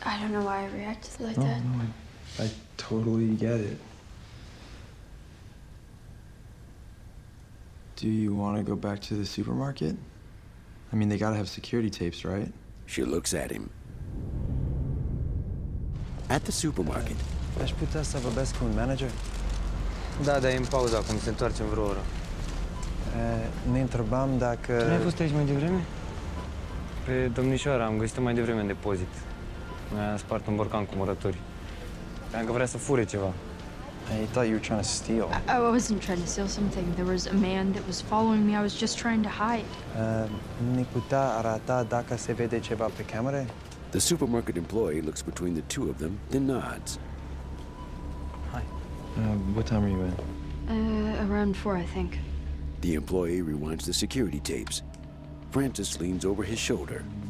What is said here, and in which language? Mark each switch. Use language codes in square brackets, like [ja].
[en] I don't know why I reacted like that. No, I totally get it. Do you want to go back to the supermarket? I mean, they gotta have security tapes, right? She looks at him. At the supermarket. [ro] Aș putea să vorbesc cu un manager? Da, dar e în pauză acum, se întoarce în vreo oră. Ne întrebam dacă... Tu n-ai fost aici mai devreme? Pe domnișoara, am găsit-o mai devreme în depozit. Mi-a spart un borcan cu murături. Cred că vrea să fure ceva. [en] I thought you were trying to steal. I wasn't trying to steal something. There was a man that was following me. I was just trying to hide. [ro] Ne putea arata dacă se vede ceva pe camere? [en] The supermarket employee looks between the two of them, then nods. Hi. What time are you in? Around 4, I think. The employee rewinds the security tapes. Francis leans over his shoulder.